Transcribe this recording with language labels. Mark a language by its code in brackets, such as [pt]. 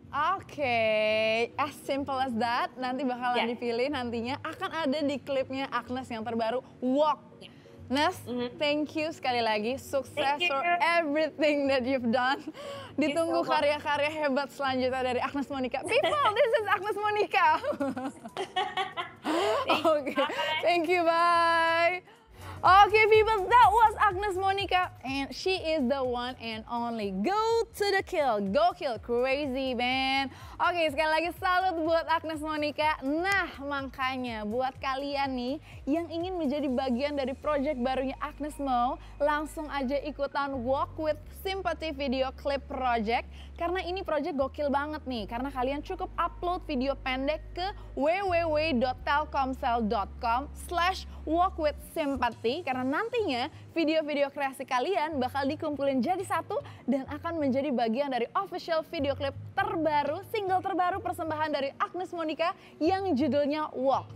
[id] Oke, okay. [en] As simple as that, [id] nanti bakalan dipilih nantinya akan ada di klipnya Agnes yang terbaru, Walk. [en] Nes, thank you [id] sekali lagi, sukses [en] for everything that you've done. [id] Ditunggu karya-karya hebat selanjutnya dari Agnes Monica. [en] People, this is Agnes Monica. Oke, okay. Thank you, bye. Okay, people, that was Agnes Monica, and she is the one and only Go to the Kill, Go Kill Crazy Man. [id] Okay, sekali lagi salut buat Agnes Monica. Nah, makanya buat kalian nih yang ingin menjadi bagian dari project barunya Agnes Mo, langsung aja ikutan Walk with Sympathy video clip project, karena ini project gokil banget nih, karena kalian cukup upload video pendek ke www.telkomsel.com/walkwithsympathy, karena nantinya video-video kreasi kalian bakal dikumpulin jadi satu dan akan menjadi bagian dari official video clip terbaru, single terbaru persembahan dari Agnes Monica yang judulnya Walk.